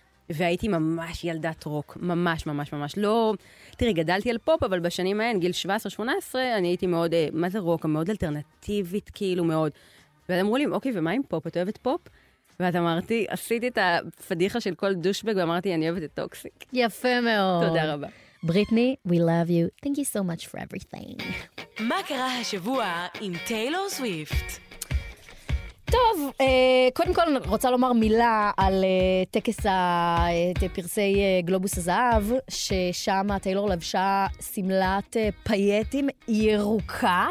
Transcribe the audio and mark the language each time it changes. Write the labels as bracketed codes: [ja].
[he] והייתי ממש ילדת רוק, ממש, ממש, ממש. לא, תראי, גדלתי על פופ, אבל בשנים ההן, גיל 17-18, אני הייתי מאוד, מה זה רוק? מאוד אלטרנטיבית, כאילו, מאוד. ואז אמרו לי, אוקיי, ומה עם פופ? את אוהבת פופ? ואז אמרתי, עשיתי את הפדיחה של כל דושבג, ואמרתי, אני אוהבת את טוקסיק. יפה מאוד. תודה רבה. [en] בריטני, we love you. Thank you so much for everything. [he] מה קרה השבוע עם טיילור סוויפט? טוב, קודם כל רוצה לומר מילה על טקס פרסי גלובוס הזהב, ששם טיילור לבשה סמלת פייטים ירוקה.